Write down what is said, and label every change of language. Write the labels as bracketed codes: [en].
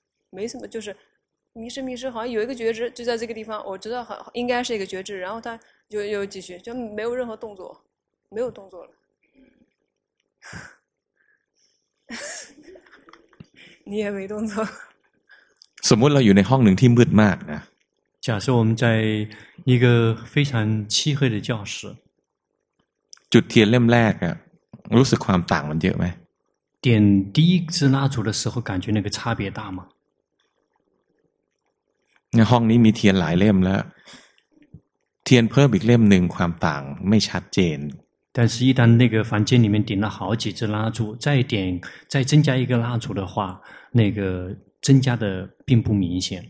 [zh] 没什么，就是迷失迷失，好像有一个觉知就在这个地方，我知道好应该是一个觉知，然后他又继续，就没有任何动作，没有动作了，你也没动作。 [th] สมมติเราอยู่ในห้องหนึ่งที่มืดมากนะ [zh] 假设我们在一个非常漆黑的教室 [th] จุดเทียนเล่มแรกอะรู้สึกความต่างมันเยอะไหม [zh] 点第一支蜡烛的时候感觉那个差别大吗 [th] ในห้องนี้มีเทียนหลายเล่มแล้วเทียนเพิ่มอีกเล่มหนึ่งความต่างไม่ชัดเจน [zh] 但是一旦那个房间里面点了好几支蜡烛再点再增加一个蜡烛的话那个增加的并不明显